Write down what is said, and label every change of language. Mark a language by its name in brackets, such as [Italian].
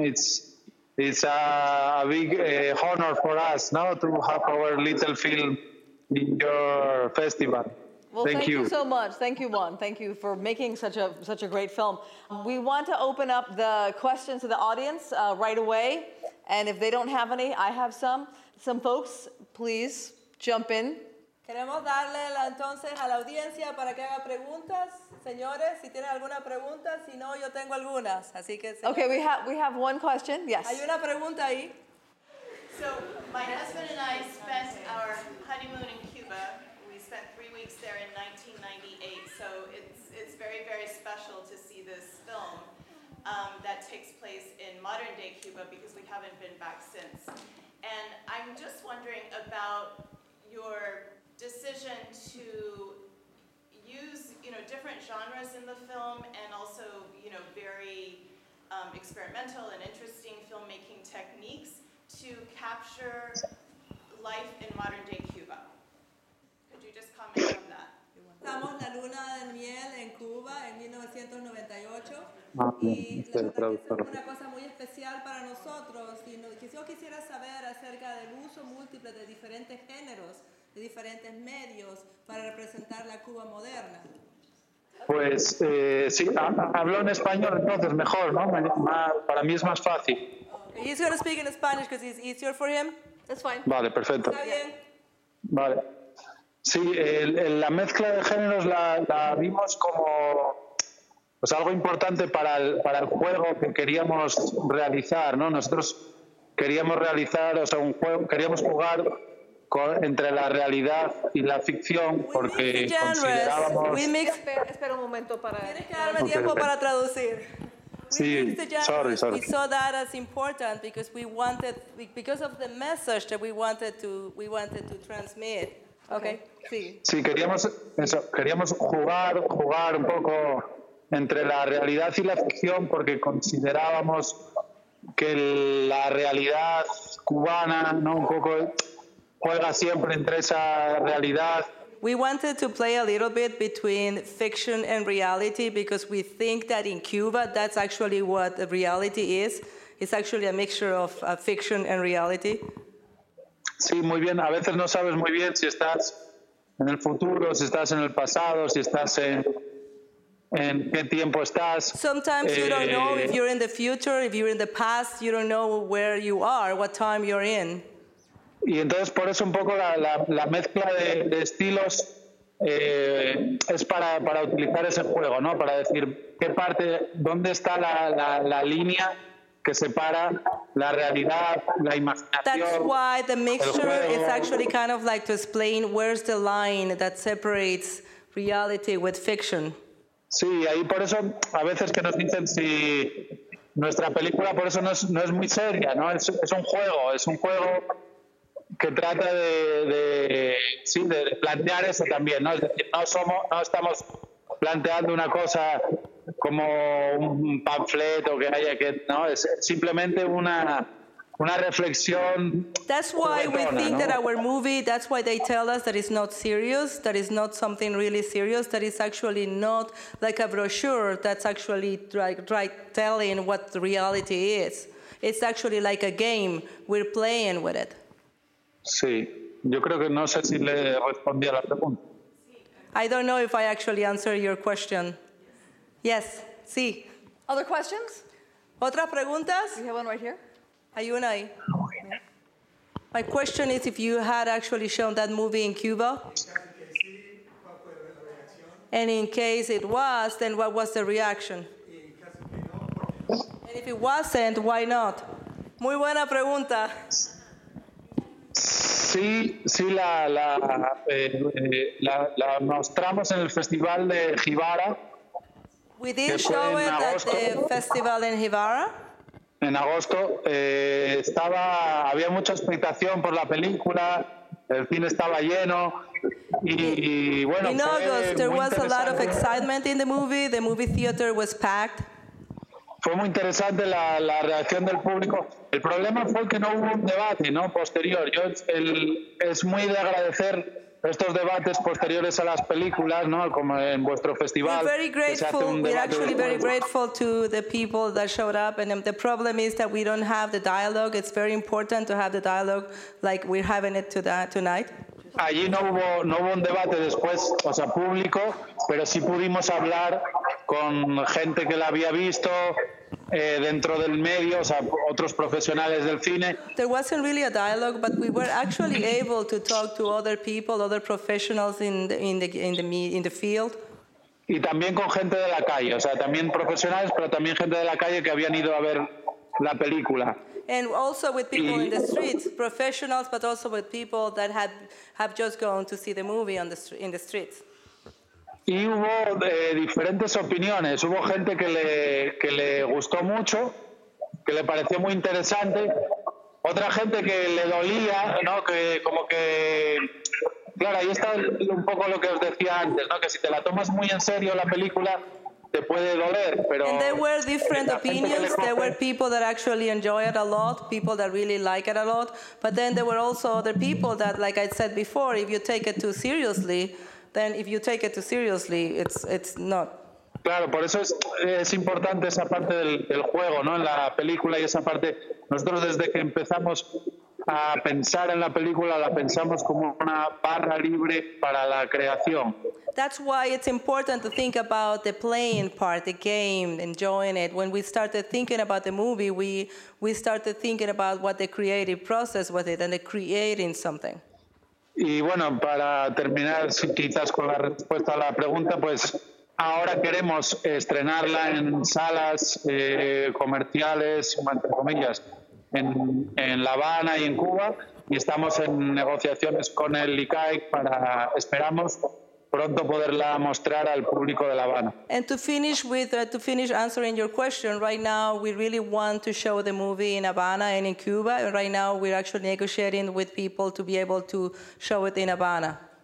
[English] It's a big honor for us, no, to have our little film in your festival. Well, thank you so much. Thank you, Juan. Thank you for making such a great film. We want to open up the questions to the audience right away. And if they don't have any, I have some. Some folks, please. Jump in. [Spanish] Queremos darle entonces a la audiencia para que haga preguntas, señores. Si tienen alguna pregunta, si no, yo tengo algunas. Así que. Señores. [English] Okay, we have one question. Yes. [Spanish] Hay una pregunta ahí. [English] So my husband and I spent our honeymoon in Cuba. We spent 3 weeks there in 1998. So it's very, very special to see this film that takes place in modern day Cuba because we haven't been back since. And I'm just wondering about your decision to use, you know, different genres in the film and also, you know, very experimental and interesting filmmaking techniques to capture life in modern day Cuba. Could you just comment on that? [Spanish] Estamos la luna de miel en Cuba en 1998 y la verdad es una cosa muy especial para nosotros y yo quisiera saber acerca del uso múltiple de diferentes géneros de diferentes medios para representar la Cuba moderna. Pues sí, hablo en español entonces mejor, ¿no? Para mí es más fácil. [English] Okay. He's going to speak in Spanish because it's easier for him. That's fine. [Spanish] Vale, perfecto. Está bien. Vale. Sí, la mezcla de géneros la vimos como pues algo importante para el juego que queríamos realizar, ¿no? Nosotros queríamos realizar, o sea, un juego, queríamos jugar entre la realidad y la ficción porque considerábamos... Espera un momento para... Tienes que darme tiempo para traducir. [English] We saw that as important because we wanted, because of the message that we wanted to transmit. Okay. [Spanish] Sí, queríamos jugar un poco entre la realidad y la ficción porque considerábamos que la realidad cubana, ¿no? Un poco juega siempre entre esa realidad. [English] We wanted to play a little bit between fiction and reality because we think that in Cuba that's actually what reality is. It's actually a mixture of fiction and reality. [Spanish] Sí, muy bien. A veces no sabes muy bien si estás en el futuro, si estás en el pasado, si estás en en qué tiempo estás. [English] Sometimes you don't know if you're in the future, if you're in the past, you don't know where you are, what time you're in. [Spanish] Y entonces por eso un poco la mezcla de estilos es para utilizar ese juego, ¿no? Para decir qué parte, dónde está la línea que separa la realidad, la imaginación. [English] That's why the mixture is actually kind of like to explain where's the line that separates reality with fiction. [Spanish] Sí, ahí por eso a veces que nos dicen si nuestra película por eso no es muy seria, ¿no? Es un juego que trata de plantear eso también, ¿no? Es decir, no estamos planteando una cosa como un panfleto que haya que, ¿no? Es simplemente una reflexión. [English] That's why we think, ¿no?, that our movie, that's why they tell us that it's not serious, that it's not something really serious, that it's actually not like a brochure that's actually right telling what the reality is. It's actually like a game. We're playing with it. [Spanish] Sí, yo creo que no sé si le respondí a la pregunta. [English] I don't know if I actually answered your question. Yes, sí. Other questions? [Spanish] ¿Otras preguntas? [English] We have one right here. [Spanish] Hay una ahí. [English] My question is if you had actually shown that movie in Cuba. And in case it was, then what was the reaction? And if it wasn't, why not? [Spanish] Muy buena pregunta. Sí, la mostramos en el festival de Gibara. [English] We did show it at the festival in Gibara. [Spanish] En agosto había mucha expectación por la película, el cine estaba lleno y bueno. [English] In August there was a lot of excitement in the movie theater was packed. [Spanish] Fue muy interesante la reacción del público. El problema fue que no hubo un debate, ¿no?, posterior. Yo es muy de agradecer estos debates posteriores a las películas, ¿no?, como en vuestro festival. [English] We're very grateful. We're actually very grateful to the people that showed up. And the problem is that we don't have the dialogue. It's very important to have the dialogue like we're having it tonight. [Spanish] Allí no hubo un debate después, o sea, público, pero sí pudimos hablar con gente que la había visto dentro del medio, o sea, otros profesionales del cine. [English] There wasn't really a dialogue, but we were actually able to talk to other people, other professionals in the field. [Spanish] Y también con gente de la calle, o sea, también profesionales, pero también gente de la calle que habían ido a ver la película. [English] And also with people in the streets, professionals, but also with people that have just gone to see the movie in the streets. [Spanish] Y hubo diferentes opiniones. Hubo gente que le gustó mucho, que le pareció muy interesante. Otra gente que le dolía, ¿no? Que como que... Claro, ahí está un poco lo que os decía antes, ¿no? Que si te la tomas muy en serio la película... Te puede doler, pero [English] and there were different opinions. There were people that actually enjoy it a lot, people that really like it a lot. But then there were also other people that, like I said before, if you take it too seriously, then if you take it too seriously, it's not. [Spanish] Claro, por eso es importante esa parte del juego, ¿no? En la película y esa parte. Nosotros desde que empezamos a pensar en la película la pensamos como una barra libre para la creación. [English] That's why it's important to think about the playing part, the game, enjoying it. When we started thinking about the movie, we started thinking about what the creative process was it and the creating something. [Spanish] Y bueno, para terminar quizás con la respuesta a la pregunta, pues ahora queremos estrenarla en salas comerciales, entre comillas, en La Habana y en Cuba, y estamos en negociaciones con el ICAIC para, esperamos, pronto poderla mostrar al público de La Habana. [English] And to finish answering your question, right now we really want to show the movie in Havana and in Cuba, and right now we're actually negotiating with people to be able to show it in Havana.